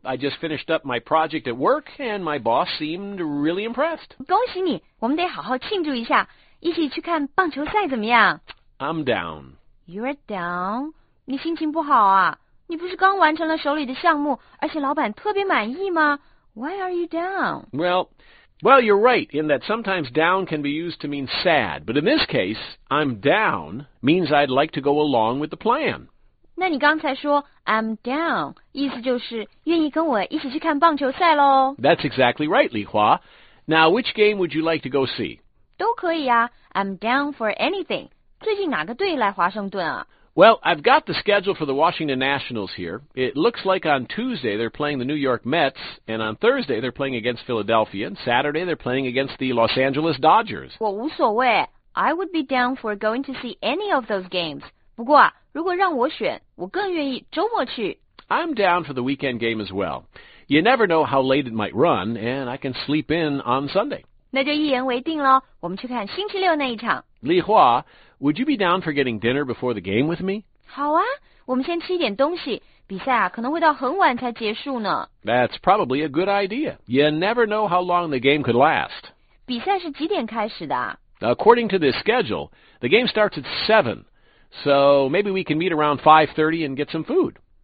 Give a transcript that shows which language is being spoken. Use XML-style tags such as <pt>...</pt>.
<en>I just finished up my project at work, and my boss seemed really impressed.</en> <zh>恭喜你！我们得好好庆祝一下。一起去看棒球赛怎么样？</zh> <en>I'm down. You're down?</en> <zh>你心情不好啊？你不是刚完成了手里的项目，而且老板特别满意吗？</zh> <en>Why are you down? Well, you're right in that sometimes down can be used to mean sad, but in this case, I'm down means I'd like to go along with the plan.</en> <zh>那你刚才说</zh> <en>I'm down</en> <zh>意思就是愿意跟我一起去看棒球赛喽。</zh> <en>That's exactly right, Li Hua. Now, which game would you like to go see?</en> <zh>都可以啊</zh> <en>I'm down for anything.</en> <zh>最近哪个队来华盛顿啊？</zh> <en>Well, I've got the schedule for the Washington Nationals here. It looks like on Tuesday they're playing the New York Mets, and on Thursday they're playing against Philadelphia, and Saturday they're playing against the Los Angeles Dodgers.</en> <zh>我无所谓</zh> <en>I would be down for going to see any of those games.</en> <zh>不过啊，如果让我选，我更愿意周末去。</zh> <en>I'm down for the weekend game as well. You never know how late it might run, and I can sleep in on Sunday.</en> <zh>那就一言为定咯，我们去看星期六那一场。</zh> <en>李华Would you be down for getting dinner before the game with me?</en> <zh>好啊，我们先吃一点东西。比赛啊，可能会到很晚才结束呢。</zh> <en>That's probably a good idea. You never know how long the game could last.</en> <zh>比赛是几点开始的？</zh> <en>According to this schedule, the game starts at 7. So maybe we can meet around 5:30 and get some food.</en>